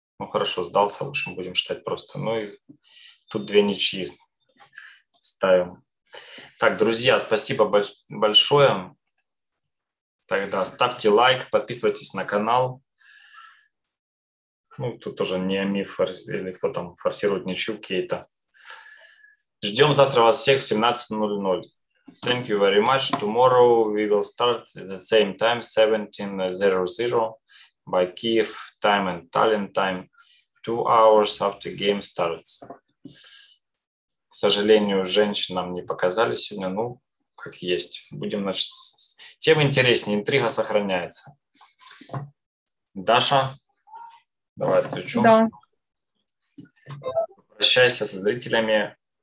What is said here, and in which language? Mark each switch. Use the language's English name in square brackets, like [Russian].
[Russian] хорошо, сдался. В общем, будем считать просто. Ну и тут две ничьи ставим. Так, друзья, спасибо большое. Тогда ставьте лайк, подписывайтесь на канал. Ну, тут тоже не Ами или кто там форсирует ничью Кейта. Ждем завтра вас всех в 17:00. [English] Thank you very much. Tomorrow we will start at the same time, 17:00 by Kiev time and Tallinn time, 2 hours after game starts. [Russian] К сожалению, женщин нам не показали сегодня, ну, как есть. Будем, значит, тем интереснее, интрига сохраняется. Даша, давай отключу. Да. Прощайся со зрителями.